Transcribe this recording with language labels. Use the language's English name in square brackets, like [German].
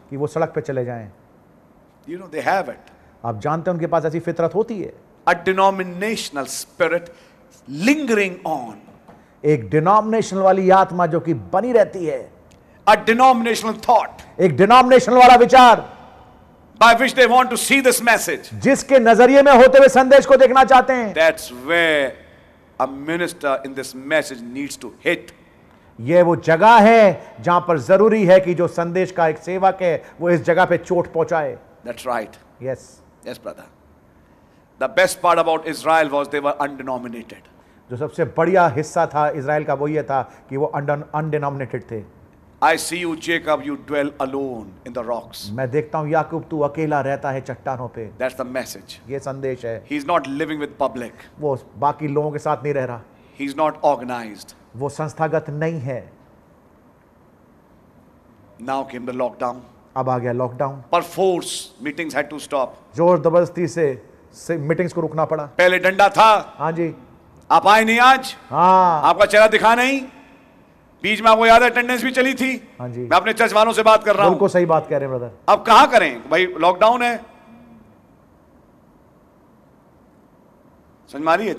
[Hindi] कि वो सड़क पे चले जाएं। [English] you know they have it, [Hindi] आप जानते हैं उनके पास ऐसी फितरत होती है। [English] a denominational spirit lingering on, [Hindi] एक डिनोमिनेशनल वाली आत्मा जो कि बनी रहती है। [English] a denominational thought, [Hindi] एक डिनोमिनेशनल वाला विचार। [English] By which they want to see this message. [Hindi] जिसके नजरिए में होते हुए संदेश को देखना चाहते हैं। [English] That's where a minister in this message needs to hit. [Hindi] ये वो जगह है जहां पर जरूरी है कि जो संदेश का एक सेवक है वो इस जगह पे चोट पहुंचाए। [English] That's right. Yes. Yes, brother. The best part about Israel was they were undenominated. [Hindi] जो सबसे बढ़िया हिस्सा था इसराइल का वो ये था कि वो undenominated थे। [English] I see you, Jacob. You dwell alone in the rocks. [Hindi] मैं देखता हूँ याकूब, तू अकेला रहता है चट्टानों पे। [English] That's the message. [Hindi] ये संदेश है। [English] He's not living with public. [Hindi] वो बाकी लोगों के साथ नहीं रह रहा। [English] He's not organized. [Hindi] वो संस्थागत नहीं है। [English] Now came the lockdown. [Hindi] अब आ गया lockdown. [English] पर force meetings had to stop. [Hindi] जोर जबरदस्ती से meetings को रुकना पड़ा। पहले डंडा था। हाँ जी। आप आए नहीं आज? हाँ। आपका चेहरा दिखा नहीं? बीच में आपको याद है अटेंडेंस भी चली थी। हाँ जी। मैं अपने चर्च वालों से बात कर रहा हूं। बिल्कुल सही बात कह रहे हैं ब्रदर। अब कहां करें भाई, लॉकडाउन है, समझ मारी है?